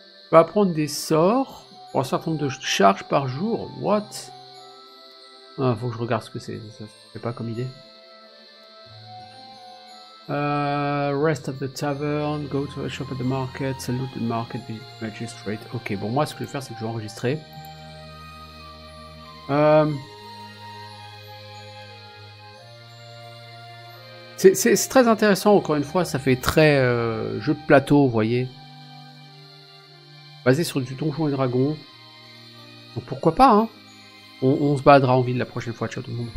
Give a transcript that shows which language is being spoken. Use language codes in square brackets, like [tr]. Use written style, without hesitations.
[fr] On va prendre des sorts pour un certain nombre de charges par jour. [en] What? [fr] Ah, faut que je regarde ce que c'est. Ça se fait pas comme idée. [en] Rest of the tavern, go to the shop at the market, salute the market magistrate. [fr] Ok, bon, moi ce que je vais faire, c'est que je vais enregistrer. C'est très intéressant, encore une fois, ça fait très jeu de plateau, vous voyez. Basé sur du donjon et dragon. Donc pourquoi pas, hein. On se battra en ville la prochaine fois, ciao tout le monde.